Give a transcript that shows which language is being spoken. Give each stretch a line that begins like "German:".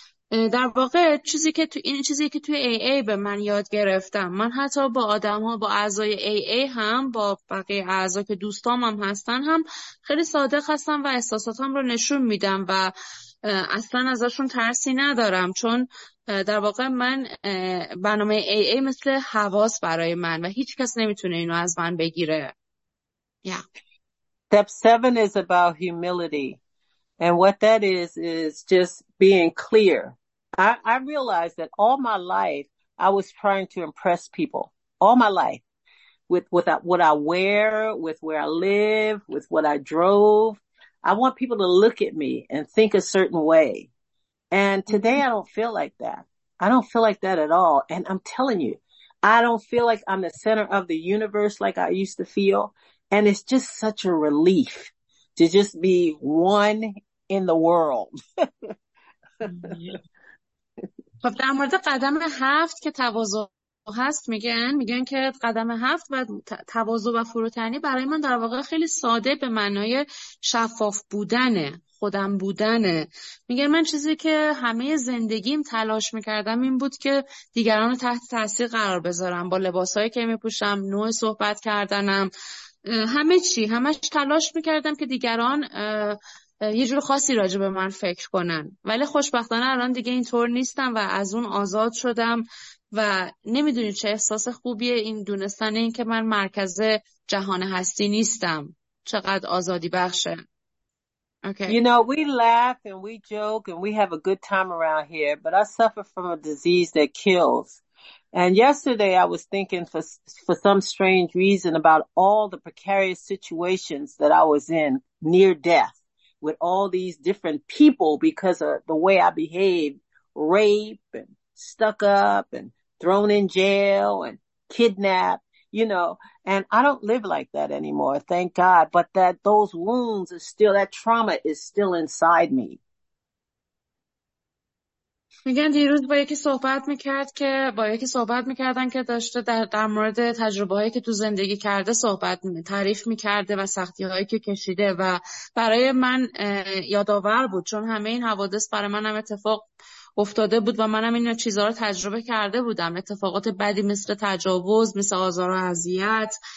Persian: در واقع چیزی که تو این چیزی که توی AA به من یاد گرفتم، من حتی با آدم ها، با اعضای AA هم، با بقیه اعضا که دوستام هم هستن، هم خیلی صادق هستم و احساساتم رو نشون میدم و اصلا ازشون ترسی ندارم، چون در واقع من برنامه AA مثل حواس برای من و هیچ کس نمیتونه اینو از من بگیره.
English: Yeah. Step 7 is about humility. And what that is just being clear. I realized that all my life I was trying to impress people. All my life. With what I wear, with where I live, with what I drove. I want people to look at me and think a certain way. And today I don't feel like that. I don't feel like that at all. And I'm telling you, I don't feel like I'm the center of the universe like I used to feel. And it's just such a relief to just be one in the world.
Persian: خب در مورد قدم هفت که تواضع هست میگن که قدم هفت و تواضع و فروتنی برای من در واقع خیلی ساده به معنای شفاف بودنه، خودم بودنه. میگن من چیزی که همه زندگیم تلاش میکردم این بود که دیگران رو تحت تاثیر قرار بذارم، با لباسایی که میپوشم، نوع صحبت کردنم، همه چی، همش تلاش میکردم که دیگران یه جور خاصی راجع به من فکر کنن، ولی خوشبختانه الان دیگه اینطور نیستم و از اون آزاد شدم و نمیدونی چه احساس خوبیه این، دونستن این که من مرکز جهان هستی نیستم چقدر آزادی بخشه.
English: Okay. You know, we laugh and we joke and we have a good time around here, but I suffer from a disease that kills. And yesterday I was thinking for some strange reason about all the precarious situations that I was in near death. With all these different people because of the way I behaved, rape and stuck up and thrown in jail and kidnapped, you know, and I don't live like that anymore. Thank God. But that those wounds are still, that trauma is still inside me.
Persian: میگن دیروز با یکی صحبت میکرد که با یکی صحبت میکردن که داشته در مورد تجربه هایی که تو زندگی کرده صحبت تعریف میکرده و سختی هایی که کشیده و برای من یادآور بود، چون همه این حوادث برای من هم اتفاق افتاده بود و منم این چیزها رو تجربه کرده بودم، اتفاقات بدی مثل تجاوز، مثل آزار و اذیت،